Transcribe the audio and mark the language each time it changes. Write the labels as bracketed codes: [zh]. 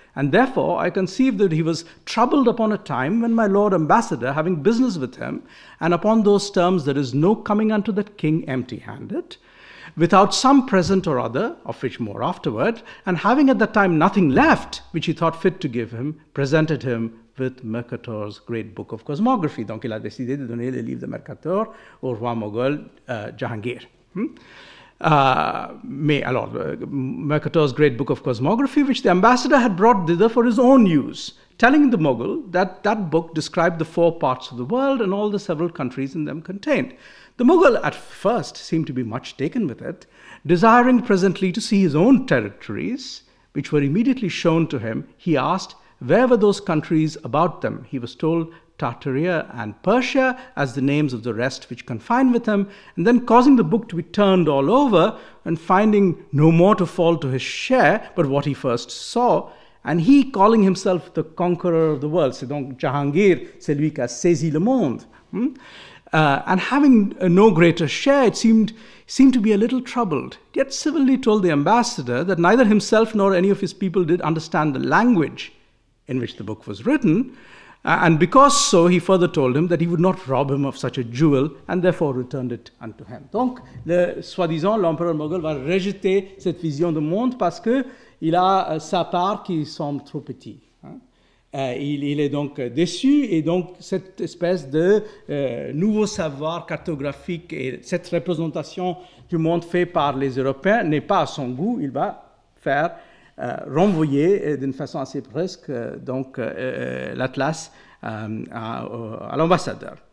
[en] And therefore, I conceive that he was troubled upon a time when my lord ambassador, having business with him, and upon those terms there is no coming unto that king empty-handed, without some present or other, of which more afterward, and having at that time nothing left, which he thought fit to give him, presented him with Mercator's great book of cosmography. [fr] Donc, il a décidé de donner le livre de Mercator au roi moghol Jahangir. [en] Mercator's great book of cosmography, which the ambassador had brought thither for his own use, telling the Mughal that that book described the four parts of the world and all the several countries in them contained. The Mughal at first seemed to be much taken with it, desiring presently to see his own territories, which were immediately shown to him. He asked, where were those countries about them? He was told, Tartaria and Persia as the names of the rest which confined with him, and then causing the book to be turned all over and finding no more to fall to his share but what he first saw, and he calling himself the conqueror of the world, [fr] c'est donc Jahangir, c'est lui qui a saisi le monde, [en] and having no greater share, it seemed to be a little troubled, yet civilly told the ambassador that neither himself nor any of his people did understand the language in which the book was written. And because so, he further told him that he would not rob him of such a jewel, and therefore returned it unto him. [fr] Donc, soi-disant, l'empereur moghol va rejeter cette vision du monde parce qu'il a sa part qui semble trop petite. Il est donc déçu, et donc cette espèce de nouveau savoir cartographique et cette représentation du monde fait par les Européens n'est pas à son goût, il va faire renvoyé d'une façon assez brusque l'atlas à l'ambassadeur.